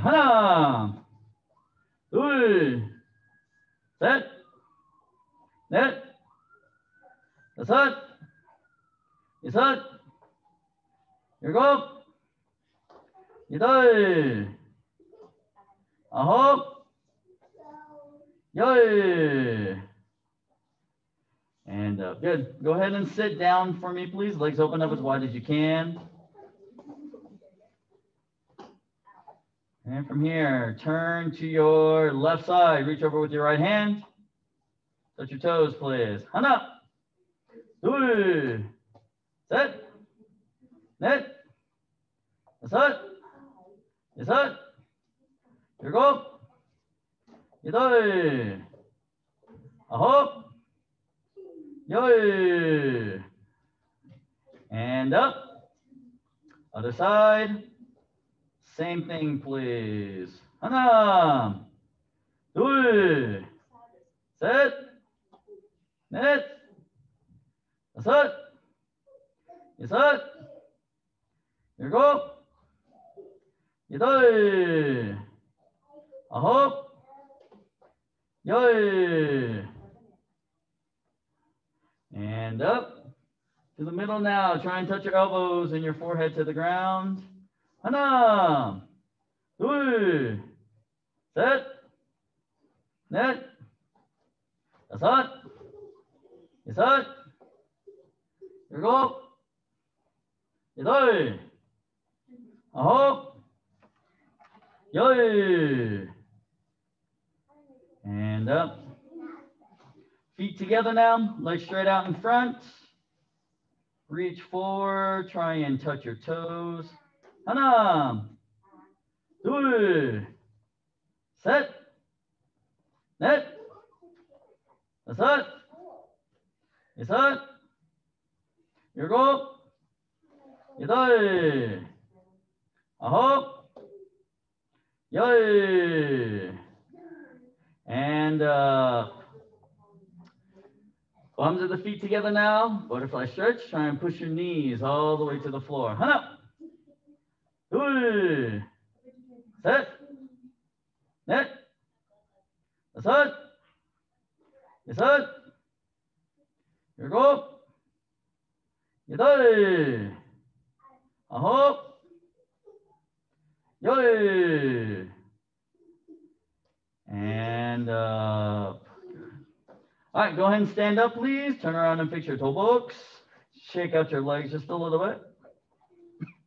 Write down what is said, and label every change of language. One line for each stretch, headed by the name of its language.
Korean: 하나, 둘, 셋, 넷, 다섯, 여섯, 일곱, 여덟, 아홉, 열.
English: And good. Go ahead and sit down for me, please. Legs open up as wide as you can. And from here, turn to your left side. Reach over with your right hand. Touch your toes, please.
Korean: 하나, 둘, 셋, 넷, 다섯, 여섯, 일곱, 여덟, 아홉, 열.
English: And up. Other side. Same thing, please.
Korean: 하나, 둘, 셋, 넷, 다섯, 여섯, 일곱, 여덟, 아홉, 열.
English: And up to the middle now. Try and touch your elbows and your forehead to the ground.
Korean: 하나, 둘, 셋, 넷, 다섯, 여섯, 일곱, 여덟, 아홉, 열.
English: And up. Feet together now, legs straight out in front. Reach forward, try and touch your toes.
Korean: 하나, 둘, 셋, 넷, 다섯, 여섯, 일곱, 여덟, 아홉, 열.
English: And bums of the feet together now. Butterfly stretch. Try and push your knees all the way to the floor.
Korean: 하나, 둘, 셋, 넷, 다섯, 여섯, 일곱, 여덟, 아홉, 열.
English: And up. All right, go ahead and stand up, please. Turn around and fix your toe box. Shake out your legs just a little bit.